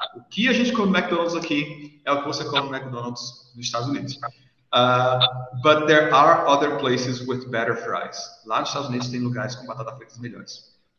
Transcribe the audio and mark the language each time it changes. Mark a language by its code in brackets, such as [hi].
[pt] O que a gente come McDonald's aqui é o que você come McDonald's nos Estados Unidos. [en] But there are other places with better fries. [pt] Lá nos Estados Unidos tem lugares com batata frita melhores.